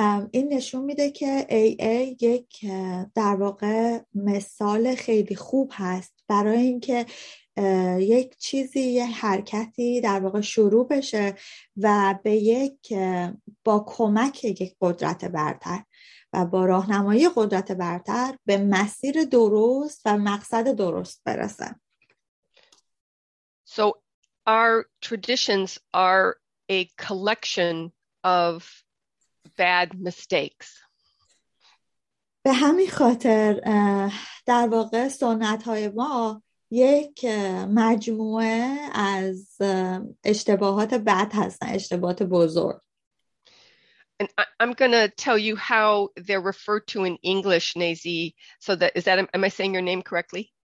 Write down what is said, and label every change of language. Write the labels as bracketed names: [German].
[Persian] این نشون میده که AA یک در واقع مثال خیلی خوب هست برای اینکه یک چیزی، یه حرکتی در واقع شروع بشه و به یک با کمک یک قدرت برتر و با راهنمایی قدرت برتر به مسیر درست و مقصد درست برسه. [English] So our traditions are a collection of bad mistakes. [Persian] به همین خاطر در واقع سنت های ما یک مجموعه از اشتباهات بد هستن، اشتباهات بزرگ. [English] And I'm going to tell you how they're referred to in English, Nazi. So that is that, am I saying your name correctly?